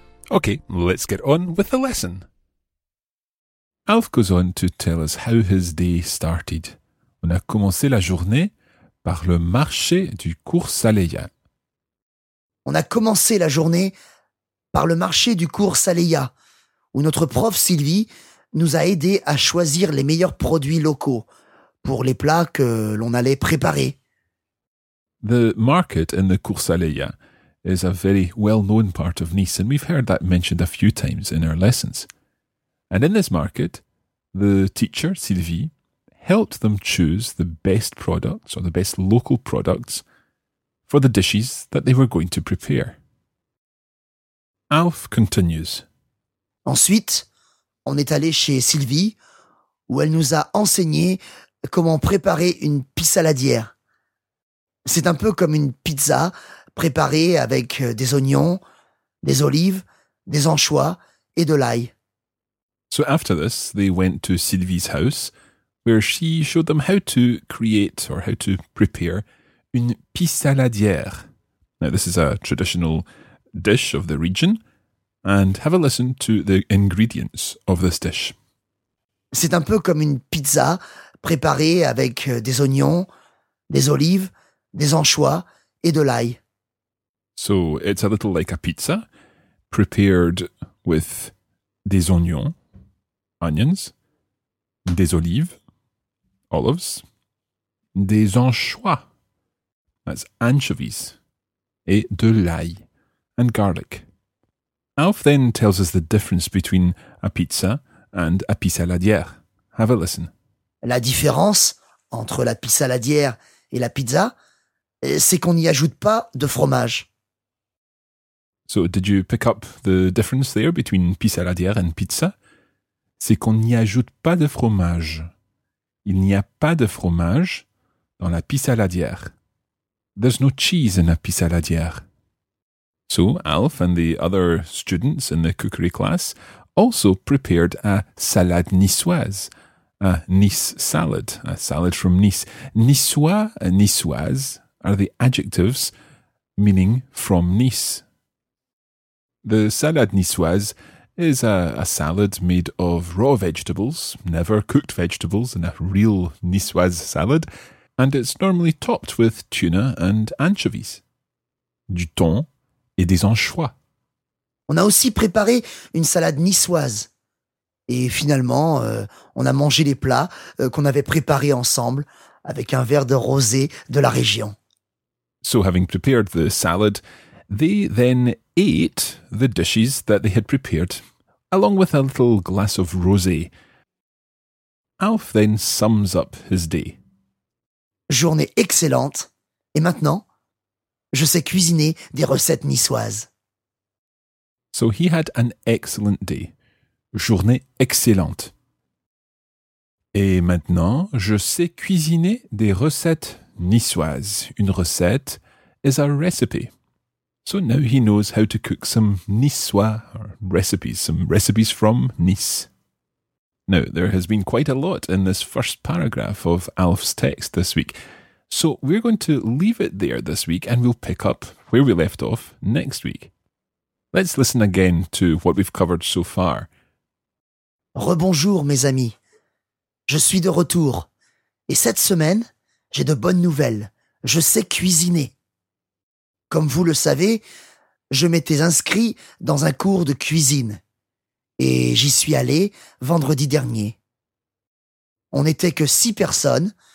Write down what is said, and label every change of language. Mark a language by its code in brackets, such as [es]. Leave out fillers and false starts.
[en] Okay, let's get on with the lesson. Alf goes on to tell us how his day started. [fr] On a commencé la journée par le marché du cours Saleya. On a commencé la journée par le marché du cours Saleya, où notre prof Sylvie nous a aidé à choisir les meilleurs produits locaux pour les plats que l'on allait préparer. [en] The market in the cours Saleya is a very well-known part of Nice, and we've heard that mentioned a few times in our lessons. And in this market, the teacher, Sylvie, helped them choose the best products or the best local products for the dishes that they were going to prepare. Alf continues. [fr] Ensuite, on est allé chez Sylvie, où elle nous a enseigné comment préparer une pissaladière. C'est un peu comme une pizza préparé avec des oignons, des olives, des anchois et de l'ail. [en] So after this, they went to Sylvie's house, where she showed them how to create or how to prepare une pissaladière. Now this is a traditional dish of the region, and have a listen to the ingredients of this dish. [fr] C'est un peu comme une pizza préparée avec des oignons, des olives, des anchois et de l'ail. [en] So it's a little like a pizza prepared with des oignons, onions, des olives, olives, des anchois, that's anchovies, et de l'ail, and garlic. Alf then tells us the difference between a pizza and a pissaladière. Have a listen. [fr] La différence entre la pissaladière et la pizza, c'est qu'on n'y ajoute pas de fromage. [en] So, did you pick up the difference there between pissaladière and pizza? [fr] C'est qu'on n'y ajoute pas de fromage. Il n'y a pas de fromage dans la pissaladière. [en] There's no cheese in a pissaladière. So, Alf and the other students in the cookery class also prepared a salade niçoise, a Nice salad, a salad from Nice. Niçois and niçoise are the adjectives meaning from Nice. The salade niçoise is a salad made of raw vegetables, never cooked vegetables in a real Niçoise salad, and it's normally topped with tuna and anchovies. [fr] Du thon et des anchois. On a aussi préparé une salade niçoise. Et finalement, on a mangé les plats qu'on avait préparés ensemble avec un verre de rosé de la région. [en] So having prepared the salad, they then ate the dishes that they had prepared, along with a little glass of rosé. Alf then sums up his day. [fr] Journée excellente. Et maintenant, je sais cuisiner des recettes niçoises. [en] So he had an excellent day. [fr] Journée excellente. Et maintenant, je sais cuisiner des recettes niçoises. [en] Une recette is a recipe. So now he knows how to cook some Niçois recipes, some recipes from Nice. Now, there has been quite a lot in this first paragraph of Alf's text this week. So we're going to leave it there this week and we'll pick up where we left off next week. Let's listen again to what we've covered so far. [fr] Rebonjour, mes amis. Je suis de retour. Et cette semaine, j'ai de bonnes nouvelles. Je sais cuisiner. Comme vous le savez, je m'étais inscrit dans un cours de cuisine. Et j'y suis allé vendredi dernier. On n'était que 6 personnes.